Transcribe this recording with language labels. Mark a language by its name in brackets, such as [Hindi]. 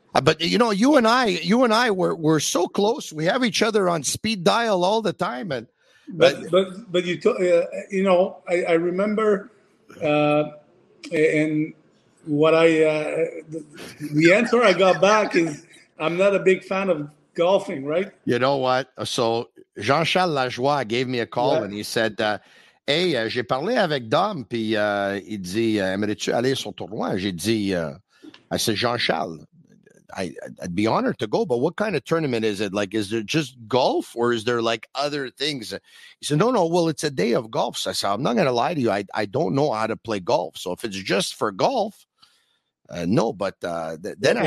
[English] But you know, you and I were so close. We have each other on speed dial all the time. And but you you know, I remember. And what I the answer I got back is I'm not a big fan of golfing, right? You know what? So Jean-Charles Lajoie gave me a call and he said, [French] "Hey, j'ai parlé avec Dom, puis il dit, aimerais-tu aller sur tournoi?" J'ai dit, [English] "I said, Jean-Charles, I'd be honored to go, but what kind of tournament is it? Like, is it just golf or is there like other things?" He said, no, well, it's a day of golf. So I said, I'm not going to lie to you. I don't know how to play golf. So if it's just for golf, no, but then